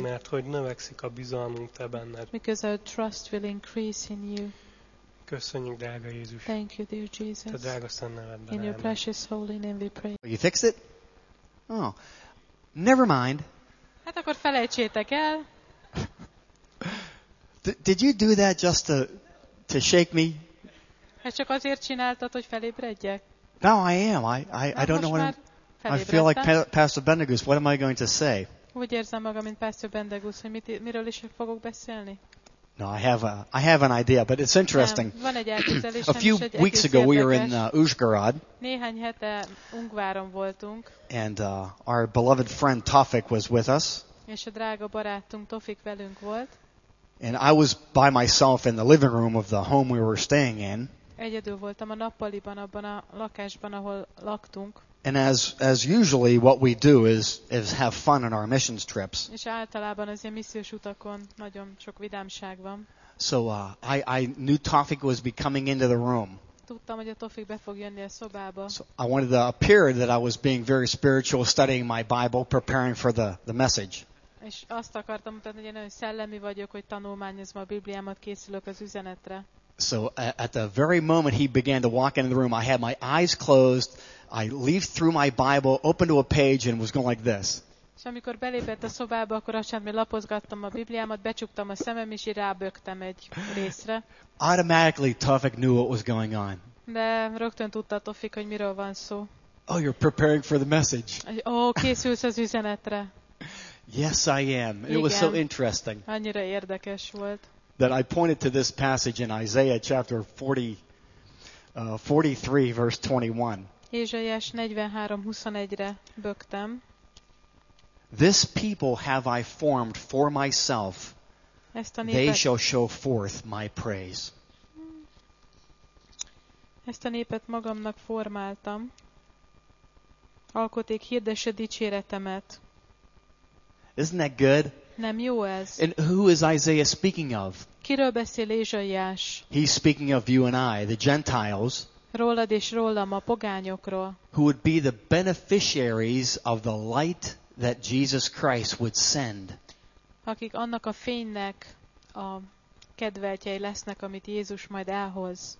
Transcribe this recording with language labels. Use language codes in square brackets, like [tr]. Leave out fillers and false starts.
[hu] Mert hogy növekszik a bizalmunk te benned. [en] Because our trust will increase in you. [hu] Köszönjük, drága Jézus. [en] Thank you, dear Jesus. [hu] Te drága szent nevedben. [en] In your precious holy name we pray. You fix it? Oh. Never mind. [hu] Hát akkor felejtsétek el. [en] Did you do that just to shake me? [hu] Hát csak azért csináltad, hogy felébredjek? [en] No, I am. I don't know what I'm... I feel like Pastor Bendegúz. What am I going to say? [hu] Úgy érzem magam, mint Pastor Bendegúz, hogy miről is fogok beszélni? [en] No, I have an idea, but it's interesting. [hu] Van egy elképzelésem. [en] A few weeks ago we were in Uzsgorod. [hu] Néhány hete Ungváron voltunk. [en] And our beloved friend Tofik was with us. [hu] És a drága barátunk Tofik velünk volt. [en] And I was by myself in the living room of the home we were staying in. [hu] Egyedül voltam a nappaliban, abban a lakásban, ahol laktunk. [en] And as usually what we do is have fun on our missions trips. [hu] És általában az ilyen missziós utakon nagyon sok vidámság van. [en] So I knew Tofik was becoming into the room. [hu] Tudtam, hogy a Tofik be fog jönni a szobába. [en] So I wanted to appear that I was being very spiritual, studying my Bible, preparing for the message. [hu] És azt akartam mutatni, hogy én olyan szellemi vagyok, hogy tanulmányozom a Bibliámat, készülök az üzenetre. [en] So at the very moment he began to walk into the room, I had my eyes closed. I leafed through my Bible, opened to a page, and was going like this. [hu] És amikor belépett a szobába, akkor azt lapozgattam a Bibliámat, becsuktam a szemem, és rábögtem egy részre. [en] Automatically, Tofik knew what was going on. [hu] De rögtön tudta Tofik, hogy miről van szó. [en] Oh, you're preparing for the message. [hu] Oh, készülsz az üzenetre. [en] Yes, I am. It [hu] Igen. [en] was so interesting. [hu] Annyira érdekes volt. [en] That I pointed to this passage in Isaiah chapter 43, verse 21. [hu] Ézsaiás 43:21-re bögtem. [en] This people have I formed for myself. [hu] Ezt a népet, [en] they shall show forth my praise. [hu] Ezt a népet magamnak formáltam. Alkoték, hirdesse dicséretemet. [en] Isn't that good? [hu] Nem jó ez. [en] And who is Isaiah speaking of? [hu] Kiről beszél Ézsaiás? [en] He's speaking of you and I, the Gentiles. [hu] Rólad és rólam, a pogányokról. [en] Who would be the beneficiaries of the light that Jesus Christ would send. [hu] Akik annak a fénynek a kedveltjei lesznek, amit Jézus majd elhoz.